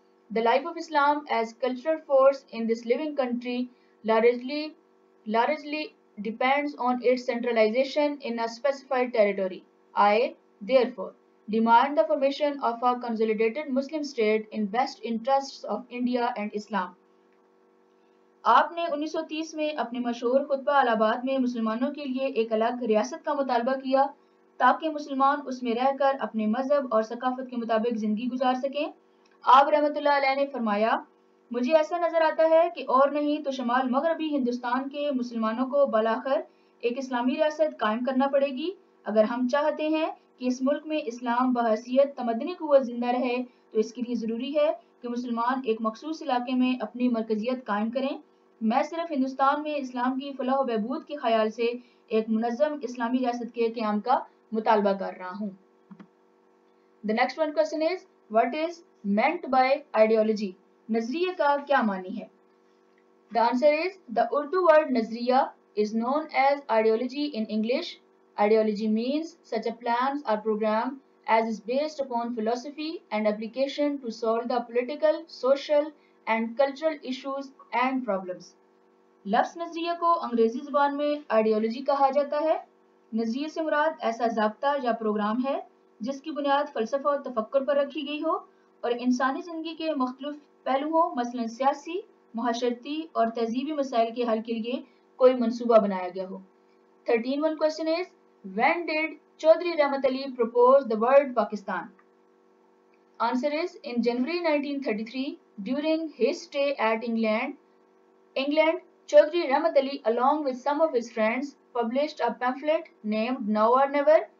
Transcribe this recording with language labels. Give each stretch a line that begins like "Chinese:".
English: The life of Islam as cultural force in this living country largely depends on its centralization in a specified territory. I, therefore, demand the formation of a consolidated Muslim state in best interests of India and Islam.
Urdu: آپ نے 1930 میں اپنے مشہور خطبہ الہ آباد میں مسلمانوں کے لیے ایک الگ ریاست کا مطالبہ کیا تاکہ مسلمان اس میں رہ کر اپنے مذہب اور ثقافت کے مطابق زندگی گزار سکیں. آپ رحمت اللہ علیہ نے فرمایا, مجھے ایسا نظر آتا ہے کہ اور نہیں تو شمال مغربی ہندوستان کے مسلمانوں کو بالآخر ایک اسلامی ریاست قائم کرنا پڑے گی اگر ہم چاہتے ہیں کہ اس ملک میں اسلام بحیثیت تمدنی قوت زندہ رہے. تو اس کے لیے ضروری ہے کہ مسلمان ایک مخصوص علاقے میں اپنی مرکزیت قائم کریں. میں صرف ہندوستان میں اسلام کی فلاح و بہبود کے خیال سے ایک منظم اسلامی ریاست کے قیام کا مطالبہ کر رہا ہوں.
English: The next one question is, what is meant by ideology?
Urdu: نظریہ کا کیا معنی ہے؟
English: The answer is, the Urdu word نظریہ is known as ideology in English. Ideology means such a plan or program as is based upon philosophy and application to solve the political, social and cultural issues and problems.
Urdu: لفظ نظریہ کو انگریزی زبان میں ideology کہا جاتا ہے. نظریہ سے مراد ایسا ضابطہ یا پروگرام ہے جس کی بنیاد فلسفہ اور تفکر پر رکھی گئی ہو اور انسانی زندگی کے مختلف پہلوؤں مثلا سیاسی، معاشرتی اور تہذیبی مسائل کے حل کے لیے کوئی منصوبہ بنایا گیا ہو.
English: 13-1 question is, when did Chaudhry Rehmat Ali propose the word Pakistan? Answer is, in January 1933, during his stay at England, Chaudhry Rehmat Ali, along with some of his friends, published a pamphlet named Now or Never.